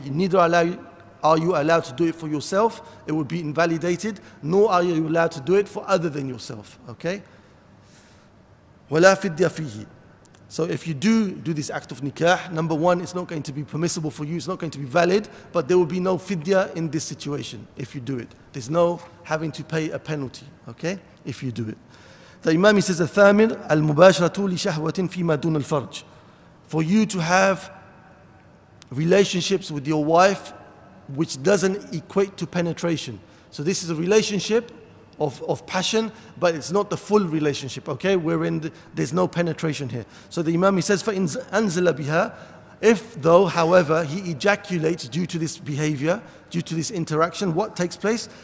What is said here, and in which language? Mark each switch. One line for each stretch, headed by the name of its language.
English: Neither are you allowed to do it for yourself, it would be invalidated, nor are you allowed to do it for other than yourself, okay?
Arabic: وَلَا فِدِّيَ فِيهِ.
English: So if you do this act of nikah, number one, it's not going to be permissible for you, it's not going to be valid, but there will be no fidya in this situation if you do it. There's no having to pay a penalty, okay, if you do it. The Imam says,
Arabic: الثامن المباشرة لشهوتين فيما دون الفرج.
English: For you to have relationships with your wife which doesn't equate to penetration. So this is a relationship of passion, but it's not the full relationship, okay? Wherein there's no penetration here. So the Imam, he says,
Arabic: فَإِنْ أَنْزِلَ بِهَا,
English: if though, however, he ejaculates due to this behavior, due to this interaction, what takes place?